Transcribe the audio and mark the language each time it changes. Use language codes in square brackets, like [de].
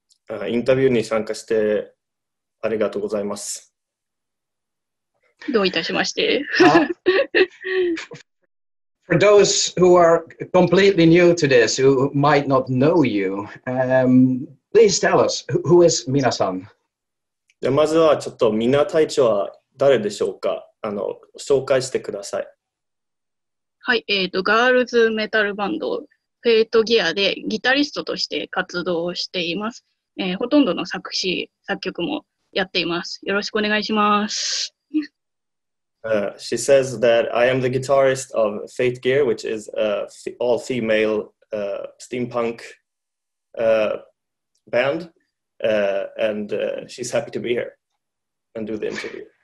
[ja] Interview に参加してありがとうございます。どういたしまして。 [en] For those who are completely new to this, who might not know you, please tell us, who is Mina-san? [ja] じゃあまずはちょっとミナ隊長は誰でしょうか。紹介してください。はい、ガールズメタルバンド、フェイトギアでギタリストとして活動しています。ほとんどの作詞、作曲もやっています。よろしくお願いします。 [en] She says that I am the guitarist of Fategear, which is an all-female steampunk band, and she's happy to be here and do the interview.